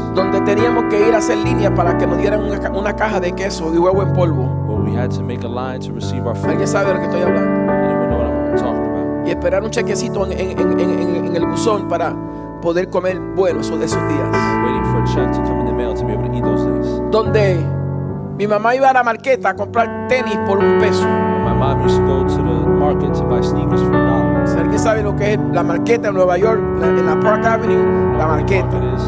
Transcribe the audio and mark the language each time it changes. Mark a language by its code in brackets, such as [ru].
[es] Donde teníamos que ir a hacer línea para que nos dieran una caja de queso y huevo en polvo. [en] Well, we had to make a line to receive our food. [es] ¿Alguien sabe de lo que estoy hablando? [en] Talking about. [es] Y esperar un chequecito en el buzón para poder comer bueno esos de esos días. [en] Waiting for a check to come in the mail to be able to eat those days. [es] Donde mi mamá iba a la marqueta a comprar tenis por un peso. [en] My mom used to go to the market to buy sneakers for a dollar. [es] ¿Alguien sabe lo que es la marqueta en Nueva York, en la Park Avenue, la marqueta?